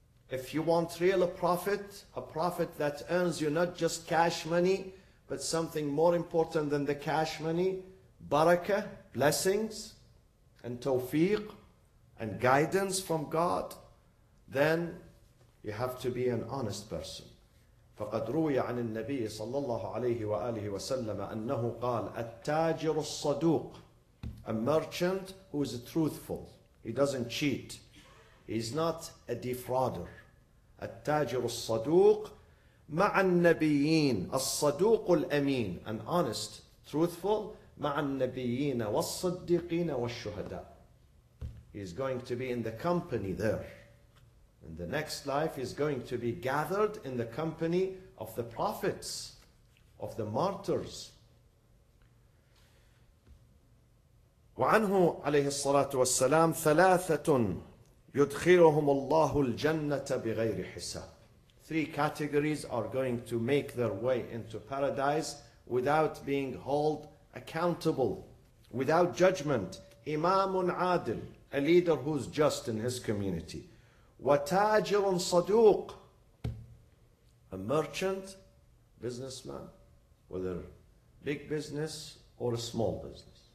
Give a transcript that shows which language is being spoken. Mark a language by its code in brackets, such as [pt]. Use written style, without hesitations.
[en] If you want real profit, a profit that earns you not just cash money, but something more important than the cash money, barakah, blessings, and tawfiq, and guidance from God, then you have to be an honest person. [ar] فقد روي عن النبي صلى الله عليه وآله وسلم أنه قال التاجر الصدوق. [en] A merchant who is truthful. He doesn't cheat. He's not a defrauder. [ar] التاجر الصدوق مع النبيين. الصدوق الأمين. [en] An honest, truthful. [ar] مع النبيين والصديقين والشهداء. [en] He's going to be in the company there. In the next life, he's going to be gathered in the company of the prophets, of the martyrs. [ar] وعنه عليه الصلاة والسلام ثلاثة يدخلهم الله الجنة بغير حساب. [en] Three categories are going to make their way into paradise without being held accountable, without judgment. [ar] إمام عادل, [en] a leader who's just in his community. [ar] وتاجر صدوق, [en] a merchant, businessman, whether big business or a small business.